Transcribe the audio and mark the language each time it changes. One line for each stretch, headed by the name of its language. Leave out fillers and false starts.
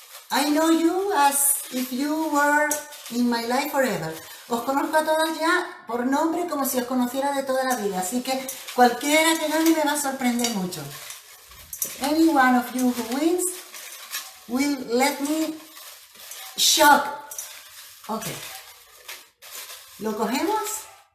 English: I know you as if you were in my life forever.
Spanish: Os conozco a todas ya por nombre como si os conociera de toda la vida. Así que cualquiera que gane me va a sorprender mucho.
English: Any one of you who wins will let me shock.
Spanish: Ok. ¿Lo cogemos?